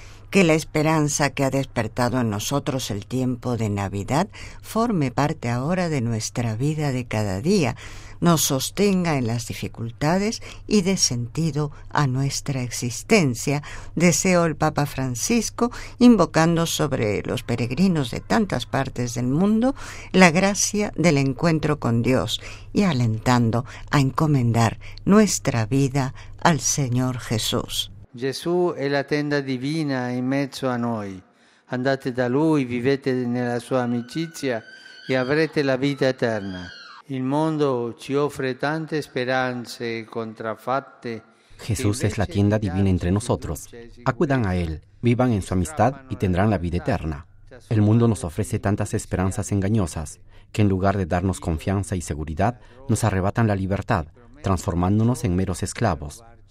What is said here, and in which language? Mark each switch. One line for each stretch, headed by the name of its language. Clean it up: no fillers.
Spanish: Que la esperanza que ha despertado en nosotros el tiempo de Navidad forme parte ahora de nuestra vida de cada día, nos sostenga en las dificultades y dé sentido a nuestra existencia, deseó el Papa Francisco, invocando sobre los peregrinos de tantas partes del mundo la gracia del encuentro con Dios y alentando a encomendar nuestra vida al Señor Jesús.
Italian: Gesù è la tenda divina in mezzo a noi. Andate da Lui, vivete nella sua amicizia e avrete la vita eterna. Il mondo ci offre tante speranze contraffatte.
Spanish: Jesús es la tienda divina entre nosotros. Acudan a Él, vivan en su amistad y tendrán la vida eterna. El mundo nos ofrece tantas esperanzas engañosas que en lugar de darnos confianza y seguridad, nos arrebatan la libertad, transformándonos en meros esclavos.